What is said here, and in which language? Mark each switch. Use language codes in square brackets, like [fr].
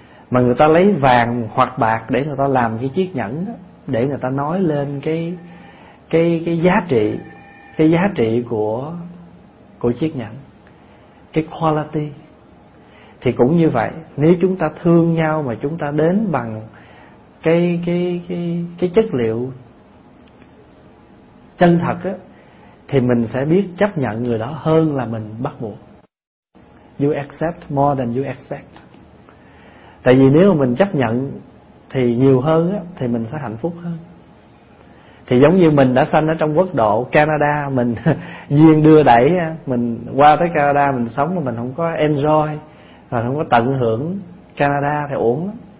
[vi] Mà người ta lấy vàng hoặc bạc để người ta làm cái chiếc nhẫn đó, để người ta nói lên cái giá trị của chiếc nhẫn, cái quality. Thì cũng như vậy, nếu chúng ta thương nhau mà chúng ta đến bằng cái chất liệu chân thật á, thì mình sẽ biết chấp nhận người đó hơn là mình bắt buộc. [en] You accept more than you expect. [vi] Tại vì nếu mà mình chấp nhận thì nhiều hơn á, thì mình sẽ hạnh phúc hơn. Thì giống như mình đã sanh ở trong quốc độ Canada, mình duyên đưa đẩy, mình qua tới Canada mình sống mà mình không có enjoy, mà không có tận hưởng Canada thì uổng lắm.